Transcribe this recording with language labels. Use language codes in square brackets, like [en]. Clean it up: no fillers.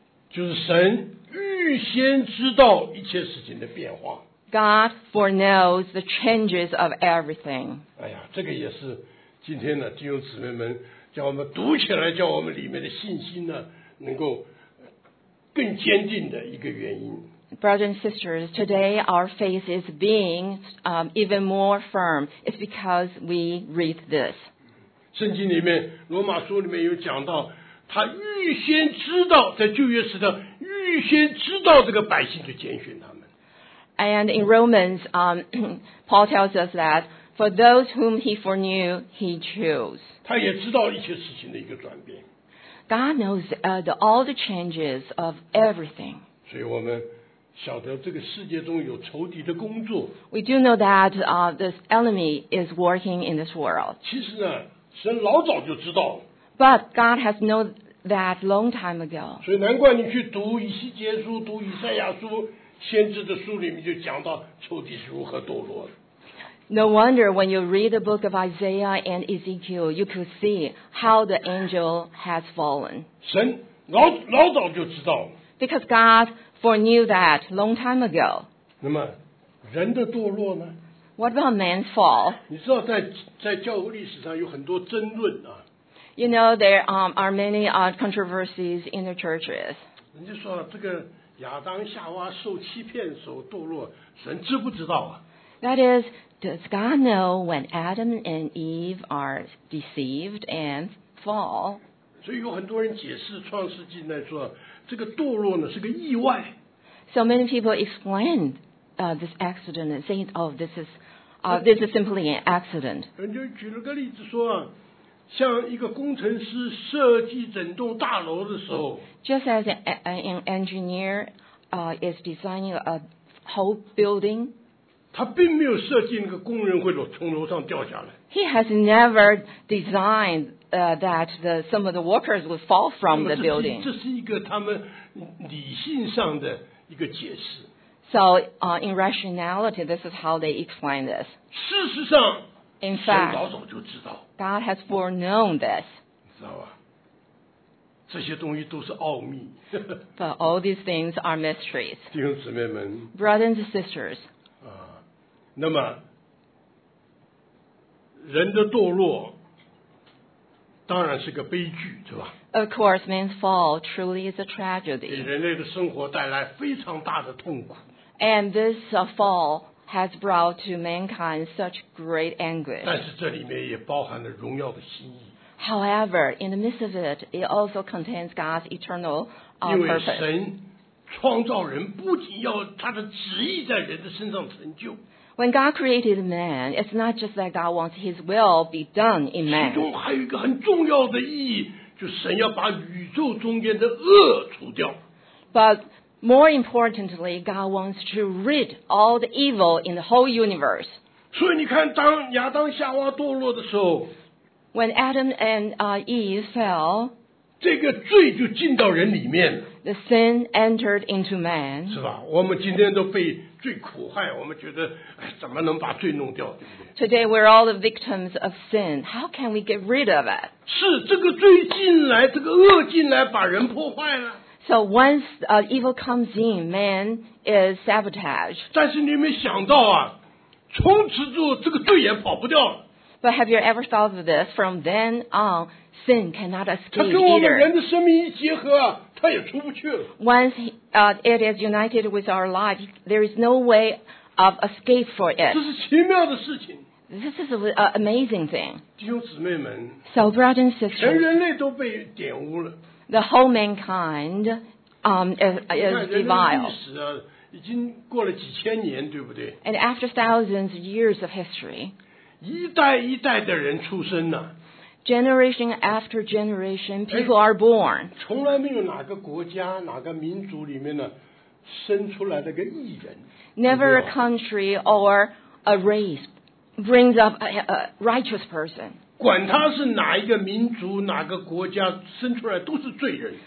[zh] 就是神预先知道一切事情的变化。 [en] God foreknows the changes of everything. [zh] 哎呀，这个也是今天呢，弟兄姊妹们叫我们读起来，叫我们里面的信心呢能够更坚定的一个原因。 [en] Brothers and sisters, today our faith is being even more firm. It's because we read this. [zh] 圣经里面，罗马书里面有讲到，他预先知道，在旧约时代预先知道这个百姓就拣选他们。 [en] And in Romans, Paul tells us that for those whom he foreknew, he chose. [zh] 他也知道一些事情的一个转变。 [en] God knows all the changes of everything. [zh] 所以我们晓得这个世界中有仇敌的工作。 [en] We do know that this enemy is working in this world. [zh] 其实呢，神老早就知道了。 [en] But God has known that long time ago. [zh] 所以难怪你去读以西结书，读以赛亚书。先知的书里面就讲到仇敌是如何堕落的。 [en] No wonder when you read the book of Isaiah and Ezekiel, you could see how the angel has fallen. [zh] 神老早就知道了。 [en] Because God foreknew that long time ago. [zh] 那么人的堕落呢？ [en] What about man's fall? [zh] 你知道在教会历史上有很多争论啊。 [en] You know, there are many controversies in the churches. [zh] 人家说这个亚当夏娃受欺骗的时候堕落，神知不知道啊？ [en] That is, does God know when Adam and Eve are deceived and fall? [zh] 所以有很多人解释创世纪呢，说这个堕落呢是个意外。 [en] So many people explain this accident and saying, "Oh, this is simply an accident." [zh] 人就举了个例子说啊。像一个工程师设计整栋大楼的时候 [en] ，Just as an engineer is designing a whole building， [zh] 他并没有设计那个工人会从楼上掉下来。 [en] He has never designed that some of the workers would fall from the building。 [zh] 这是一个他们理性上的一个解释。 [en] So in rationality, this is how they explain this。 [zh] 事实上。 [en] In fact, [zh] 神老早就知道。 [en] God has foreknown this. [zh] 你知道吧？这些东西都是奥秘。 [en] But all these things are mysteries. [zh] 弟兄姊妹们。 [en] Brothers and sisters. [zh] 那么，人的堕落当然是个悲剧，对吧 [en] ？Of course, man's fall truly is a tragedy. [zh] 给人类的生活带来非常大的痛苦。 [en] And this fall. Has brought to mankind such great anguish. [zh] 但是这里面也包含了荣耀的心意。 [en] However, in the midst of it, it also contains God's eternal purpose. [zh] 因为神创造人，不仅要他的旨意在人的身上成就。 [en] When God created man, it's not just that God wants His will be done in man. [zh] 其中还有一个很重要的意义，就是神要把宇宙中间的恶除掉。 [en] But More importantly, God wants to rid all the evil in the whole universe. [zh] 所以你看，当亚当夏娃堕落的时候 [en] ，When Adam and Eve fell， [zh] 这个罪就进到人里面了。 [en] The sin entered into man. [zh] 是吧？我们今天都被罪苦害，我们觉得，哎，怎么能把罪弄掉，对不对 [en] ？Today we're all the victims of sin. How can we get rid of it？ [zh] 是这个罪进来，这个恶进来，把人破坏了。 [en] So once evil comes in, man is sabotaged. [zh] 但是你没想到啊，从此之后这个罪也跑不掉了。 [en] But have you ever thought of this? From then on, sin cannot escape either. [zh] 它跟我们人的生命一结合啊，它也出不去了。 [en] Once it is united with our life, there is no way of escape for it. [zh] 这是奇妙的事情。 [en] This is an amazing thing. [zh] 弟兄姊妹们。 [en] So brothers and sisters. [zh] 全人类都被玷污了。 [en] The whole mankind is defiled. [zh] 历史啊，已经过了几千年，对不对 [en] ？And after thousands of years of history, [zh] 一代一代的人出生呢 [en] ，generation after generation, people are born. [zh] 从来没有哪个国家、哪个民族里面呢，生出来的个异人。 [en] Never a country or a race brings up a righteous person. [zh] 管他是哪一个民族哪个国家生出来都是罪人